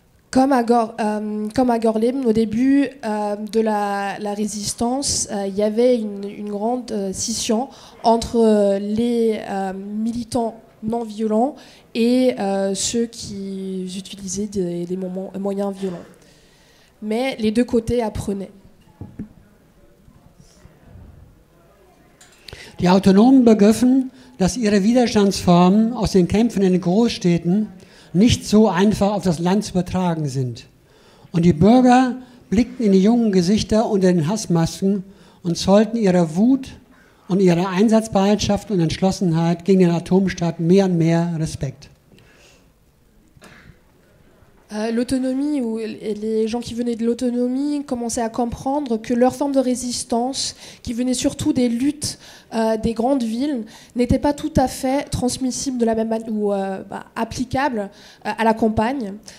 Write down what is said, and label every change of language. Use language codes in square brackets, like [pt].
[fr] Comme à Gorleben, au début de la résistance, il y avait une grande scission entre les militants non violents et ceux qui utilisaient des moyens violents. Mais les deux côtés apprenaient. [de] Die Autonomen begriffen, dass ihre Widerstandsformen aus den Kämpfen in den Großstädten nicht so einfach auf das Land zu übertragen sind. Und die Bürger blickten in die jungen Gesichter unter den Hassmasken und zollten ihrer Wut und ihrer Einsatzbereitschaft und Entschlossenheit gegen den Atomstaat mehr und mehr Respekt. [fr] L'autonomie ou les gens qui venaient de l'autonomie commençaient à comprendre que leur forme de résistance, qui venait surtout des luttes des grandes villes, n'était pas tout à fait transmissible de la même manière ou applicable à la campagne.